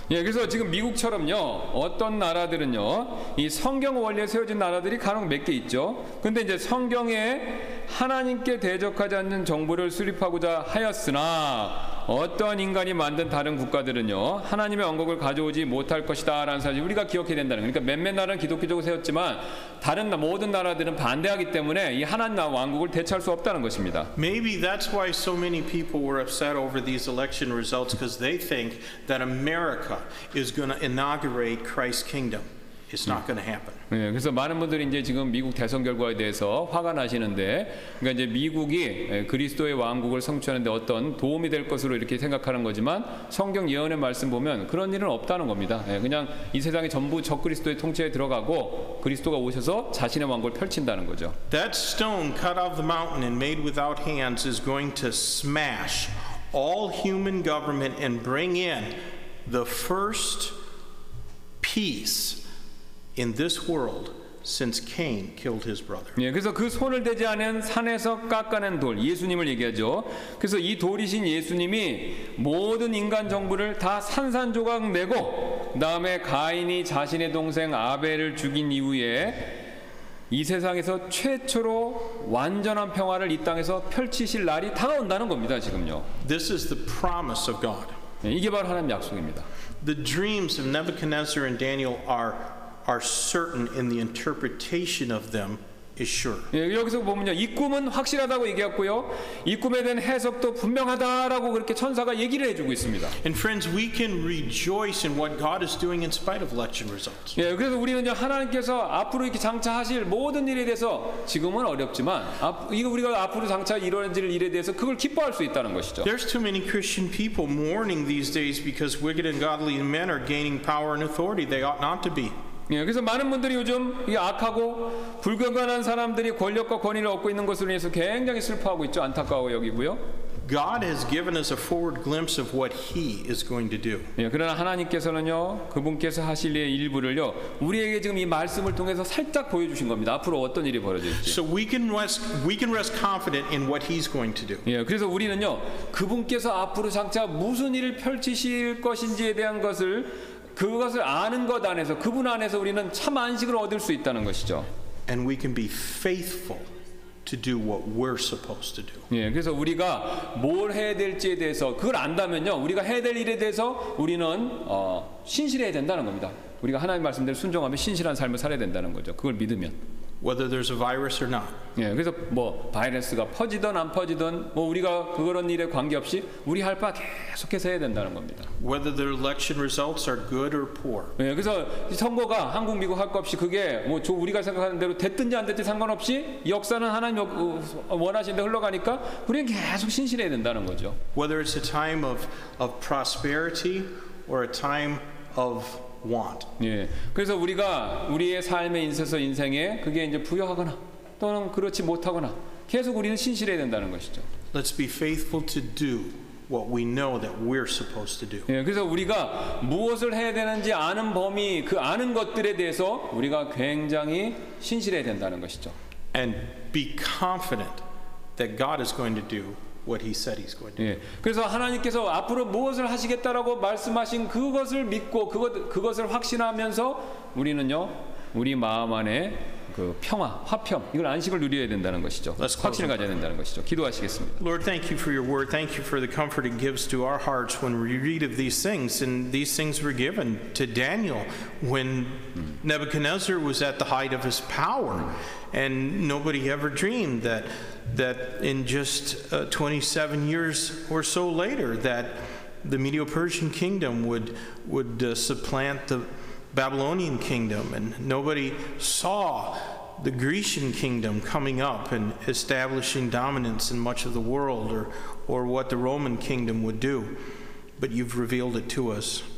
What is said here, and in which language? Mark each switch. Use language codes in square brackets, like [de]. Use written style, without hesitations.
[ko] 예, 그래서 지금 미국처럼요, 어떤 나라들은요, 이 성경 원리에 세워진 나라들이 간혹 몇 개 있죠. 근데 이제 성경에 하나님께 대적하지 않는 정부를 수립하고자 하였으나 어떤 인간이 만든 다른 국가들은요 하나님의 언급을 가져오지 못할 것이다 라는 사실을 우리가 기억해야 된다는 그러니까 몇몇 나라는 기독교적으로 세웠지만 다른 모든 나라들은 반대하기 때문에 이 하나님 나라 왕국을 대체할 수 없다는 것입니다. [en] Maybe that's why so many people were upset over these election results because they think that America is going to inaugurate Christ's kingdom. It's not going to happen. [ko] 예, 그래서 많은 분들이 이제 지금 미국 대선 결과에 대해서 화가 나시는데, 그러니까 이제 미국이 그리스도의 왕국을 성취하는데 어떤 도움이 될 것으로 이렇게 생각하는 거지만 성경 예언의 말씀 보면 그런 일은 없다는 겁니다. 예, 그냥 이 세상이 전부 적 그리스도의 통치에 들어가고 그리스도가 오셔서 자신의 왕국을 펼친다는 거죠. [en] That stone cut out of the mountain and made without hands is going to smash all human government and bring in the first peace in this world since Cain killed his brother. [ko] 예, 그래서 그 손을 대지 않은 산에서 깎아낸 돌, 예수님을 얘기하죠. 그래서 이 돌이신 예수님이 모든 인간 정부를 다 산산조각 내고 그다음에 가인이 자신의 동생 아벨을 죽인 이후에 이 세상에서 최초로 완전한 평화를 이 땅에서 펼치실 날이 다가온다는 겁니다, 지금요. [en] This is the promise of God. [ko] 예, 이게 바로 하나님의 약속입니다. [en] The dreams of Nebuchadnezzar and Daniel are certain in the interpretation of them is sure. [ko] 예, 여기서 보면요. 이 꿈은 확실하다고 얘기했고요. 이 꿈에 대한 해석도 분명하다라고 그렇게 천사가 얘기를 해 주고 있습니다. [en] And friends, we can rejoice in what God is doing in spite of election results. [ko] 예, 그래서 우리는 이제 하나님께서 앞으로 이렇게 장차 하실 모든 일에 대해서 지금은 어렵지만 이거 우리가 앞으로 장차 이루어질 일에 대해서 그걸 기뻐할 수 있다는 것이죠. [en] There's too many Christian people mourning these days because wicked and godly men are gaining power and authority they ought not to be. [ko] 예, 그래서 많은 분들이 요즘 이 악하고 불경건한 사람들이 권력과 권위를 얻고 있는 것으로 인해서 굉장히 슬퍼하고 있죠. 안타까워 여기고요. [en] God has given us a forward glimpse of what He is going to do. [ko] 예, 그러나 하나님께서는요, 그분께서 하실 일의 일부를요, 우리에게 지금 이 말씀을 통해서 살짝 보여주신 겁니다. 앞으로 어떤 일이 벌어질지. [en] So we can rest confident in what He's going to do. [ko] 예, 그래서 우리는요, 그분께서 앞으로 장차 무슨 일을 펼치실 것인지에 대한 것을 그것을 아는 것 안에서 그분 안에서 우리는 참 안식을 얻을 수 있다는 것이죠. [en] And we can be faithful to do what we're supposed to do. [ko] 예, 그래서 우리가 뭘 해야 될지에 대해서 그걸 안다면요, 우리가 해야 될 일에 대해서 우리는 신실해야 된다는 겁니다. 우리가 하나님 말씀대로 순종하며 신실한 삶을 살아야 된다는 거죠. 그걸 믿으면. [en] Whether there's a virus or not. [ko] 예, 그래서 뭐 바이러스가 퍼지든 안 퍼지든 뭐 우리가 그런 일에 관계없이 우리 할 바 계속해서 해야 된다는 겁니다. [en] Whether the election results are good or poor. [ko] 예, 그래서 선거가 한국 미국 할 거 없이 그게 뭐 저 우리가 생각하는 대로 됐든지 안 됐든지 상관없이 역사는 하나님 원하신 대로 흘러가니까 우리는 계속 신실해야 된다는 거죠. [en] Whether it's a time of prosperity or a time of want. [ko] 예. 그래서 우리가 우리의 삶의 인생에서 인생에 그게 이제 부여하거나 또는 그렇지 못하거나 계속 우리는 신실해야 된다는 것이죠. [en] Let's be faithful to do what we know that we're supposed to do. [ko] 예. 그래서 우리가 무엇을 해야 되는지 아는 범위 그 아는 것들에 대해서 우리가 굉장히 신실해야 된다는 것이죠. [en] And be confident that God is going to do what he said he's going to do. [ko] 예, 그래서 하나님께서 앞으로 무엇을 하시겠다라고 말씀하신 그것을 믿고 그것을 확신하면서 우리는요 우리 마음 안에 그 평화, 화평 이걸 안식을 누려야 된다는 것이죠. 확신을 가져야 된다는 것이죠. 기도하시겠습니다. [en] Lord, thank you for your word. Thank you for the comfort it gives to our hearts when we read of these things. And these things were given to Daniel when Nebuchadnezzar was at the height of his power, and nobody ever dreamed that in just 27 years or so later that the Medo-Persian kingdom would supplant the Babylonian kingdom, and nobody saw the Grecian kingdom coming up and establishing dominance in much of the world or what the Roman kingdom would do, but you've revealed it to us.